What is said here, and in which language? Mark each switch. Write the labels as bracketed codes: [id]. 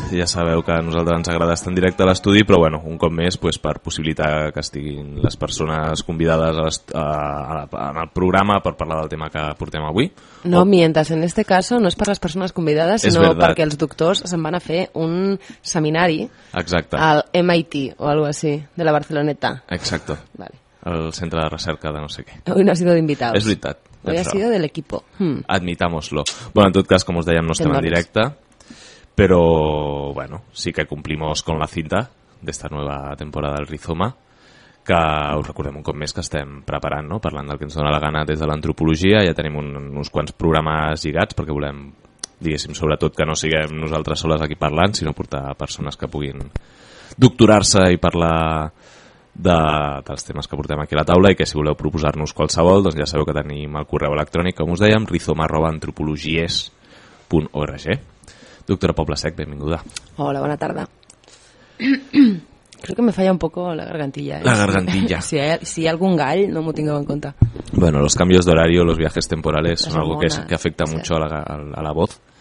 [ca] Ja sabeu que a nosaltres ens agrada estar en directe a l'estudi, però bueno, un cop més, pues, per possibilitar que estiguin les persones convidades en el programa per parlar del tema que portem avui. [es] No, mientras, en este caso no es [ca] per les persones convidades, sinó perquè els doctors se'n van a fer un seminari. Exacte. [es] Al MIT o algo así, de la Barceloneta. [ca] Exacte. Vale. El centre de recerca de no sé què. [es] Avui no ha sido d'invitados. [ca] És veritat. [es] Hoy ha sido del equipo. Admitámoslo. [ca] Bueno, en tot cas, com us dèiem, no estem en directe, però, bueno, sí que complimos [es] con la cinta [ca] d'esta nova temporada del Rizoma, que us recordem un cop més que estem preparant, no?, parlant del que ens dona la gana des de l'antropologia. Ja tenim uns quants programes lligats perquè volem, diguéssim, sobretot que no siguem nosaltres soles aquí parlant, sinó portar persones que puguin doctorar-se i parlar dels temes que portem aquí a la taula, i que si voleu proposar-nos qualsevol, doncs ja sabeu que tenim el correu electrònic, com us dèiem, rizoma@antropologies.org. Doctora Poblasec, benvinguda. Hola, bona tarda. [es] Creo que me falla un poco la gargantilla. La gargantilla. Si hay algún gall, no me tengo en cuenta. Bueno, los cambios de horario, los viajes temporales son algo que afecta mucho a la voz.